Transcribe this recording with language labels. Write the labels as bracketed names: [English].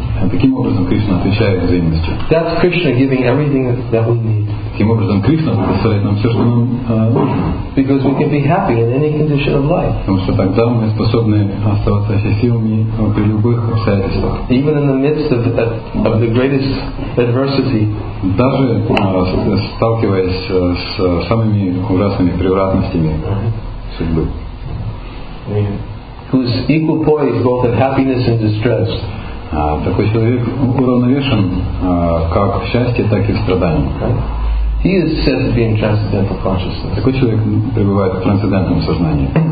[Russian] Таким образом Кришна отвечает взаимностью. [English] That's Krishna giving everything that we need. [Russian] Таким образом Кришна предоставляет нам все, что нам нужно. [English] Because we can be happy in any condition of life. [Russian] Потому что тогда мы способны оставаться счастливыми при любых обстоятельствах. [English] Even in the midst of the greatest adversity. [Russian] Даже сталкиваясь с самыми ужасными превратностями судьбы. [English] Who's equal poised both in happiness and distress. [Russian] Такой человек уравновешен как в счастье, так и в страдании. [English] He is said to be in transcendental consciousness. [Russian] Такой человек пребывает в трансцендентном сознании.